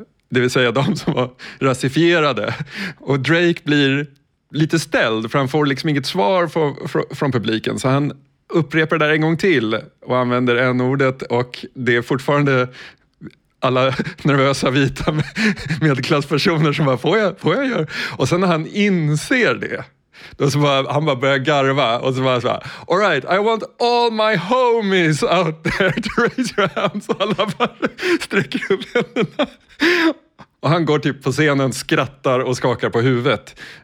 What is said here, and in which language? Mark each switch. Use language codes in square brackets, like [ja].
[sv] Det vill säga de som var rasifierade. Och Drake blir lite ställd, för han får liksom inget svar från publiken. Så han upprepar det där en gång till och använder N-ordet. Och det är fortfarande alla nervösa vita medelklasspersoner som bara, får jag göra? Och sen när han inser det, då så bara, han bara börjar garva. Och så bara, [en] all right, I want all my homies out there to raise your hands. [sv] Alla bara sträcker upp händerna. Och han går typ på scenen, skrattar och skakar på huvudet.